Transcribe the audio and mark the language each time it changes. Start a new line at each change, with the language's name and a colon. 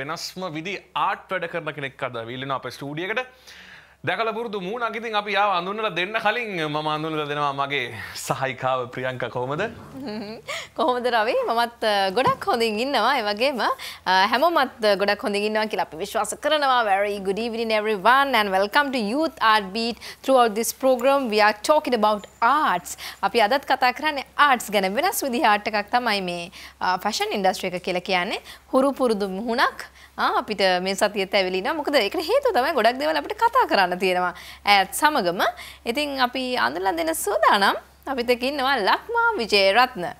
Sinhala: වෙනස්ම විදිහ ආට් වැඩ කරන කෙනෙක් අද ඇවිල්ලා අපේ ස්ටුඩියෝ එකට. දැකලා පුරුදු මූණක්. ඉතින් අපි ආව අඳුනලා දෙන්න කලින් මම අඳුනලා දෙනවා මගේ සහායිකාව ප්‍රියංක. කොහොමද? කොහොමද රවි? මමත් ගොඩක් හොඳින් ඉන්නවා. ඒ වගේම හැමෝමත් ගොඩක් හොඳින් ඉන්නවා කියලා අපි විශ්වාස කරනවා.
English: Very good evening everyone and welcome to Youth Artbeat. Throughout this program we are talking about arts.
Sinhala: අපි අදත් කතා කරන්නේ arts ගැන. වෙනස් විදිහ ආට් එකක් තමයි මේ fashion industry එක කියලා කියන්නේ. හුරු පුරුදු මූණක් අපිට මේ සතියත් ඇවිලිනවා. මොකද ඒකට හේතුව තමයි ගොඩක් දේවල් අපිට කතා කරන්න තියෙනවා ඈත් සමගම. ඉතින් අපි අඳලා දෙන සූදානම් අපිට ඉන්නවා ලක්මා විජේරත්න.